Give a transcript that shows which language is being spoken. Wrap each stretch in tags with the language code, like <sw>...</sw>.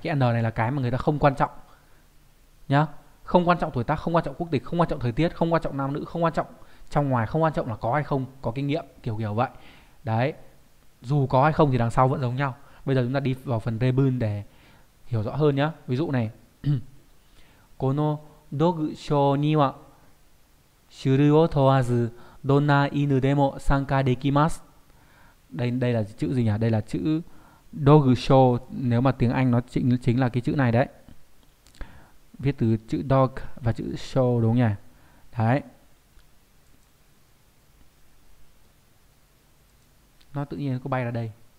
<vi>Cái N này là cái mà người ta không quan trọng nhá, không quan trọng tuổi tác, không quan trọng quốc tịch, không quan trọng thời tiết, không quan trọng nam nữ, không quan trọng trong ngoài, không quan trọng là có hay không có kinh nghiệm, kiểu kiểu vậy đấy. Dù có hay không thì đằng sau vẫn giống nhau. Bây giờ chúng ta đi vào phần rebun để hiểu rõ hơn nhá. Ví dụ này</vi> <ja>この道具書には種類を問わずどんな犬でも参加できます。</ja> <vi>Đây là chữ gì nhỉ? Đây là chữ dogshow, nếu mà tiếng Anh nó chính là cái chữ này đấy. Viết từ chữ dog và chữ show đúng không nhỉ? Đấy. Nó tự nhiên có bay ra đây.</vi>